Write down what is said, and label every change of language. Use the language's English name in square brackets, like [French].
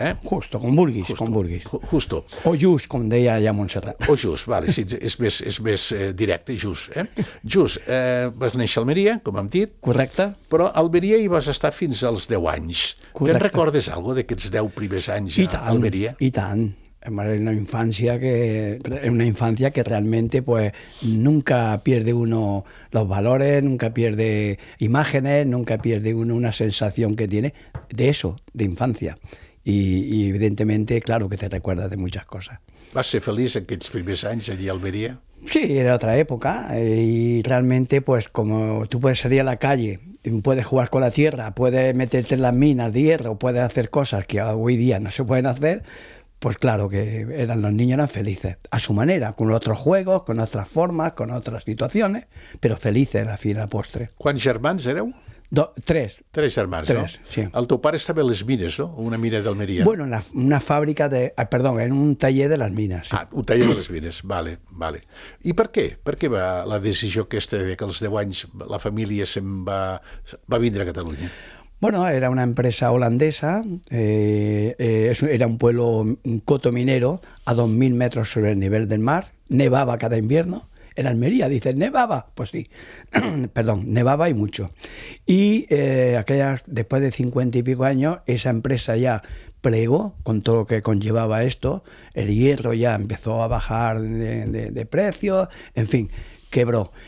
[Catalan] Justo, com vulguis, justo, com vulguis. Justo. O just, com deia allà Montserrat. O just, vale, sí, és més directe, just. Just, vas néixer a Almeria, com hem dit. Correcte. Però a Almeria hi vas estar fins als 10 anys. Correcte. Te'n recordes alguna cosa d'aquests 10 primers anys a Almeria? I tant. [Spanish] Una infancia que realmente pues nunca pierde uno los valores, nunca pierde imágenes, nunca pierde uno una sensación que tiene de eso, de infancia. Y evidentemente, claro que te recuerdas de muchas cosas. ¿Vas a ser feliz en aquellos primeros años allí a Almería? Sí, era otra época y realmente pues como tú puedes salir a la calle, puedes jugar con la tierra, puedes meterte en las minas de hierro, puedes hacer cosas que hoy día no se pueden hacer. Pues claro que los niños eran felices, a su manera, con otros juegos, con otras formas, con otras situaciones, pero felices al fin y al postre. ¿Cuántos hermanos eran? [Catalan] Tres germans. No? Sí. El teu pare estava a les mines, no? Una mina d'Almeria. Bueno, en una fàbrica de... Perdó, en un taller de les mines. Sí. Ah, un taller de les mines. Vale, vale. I per què? Per què va la decisió aquesta de que als 10 anys la família se'n va vindre a Catalunya? [Spanish] Bueno, era una empresa holandesa, era un pueblo coto minero a 2.000 metros sobre el nivel del mar, nevaba cada invierno. En Almería, dicen, ¿nevaba? Pues sí, perdón, nevaba y mucho. Y después de 50 y pico años, esa empresa ya plegó con todo lo que conllevaba esto, el hierro ya empezó a bajar de precio, en fin, quebró.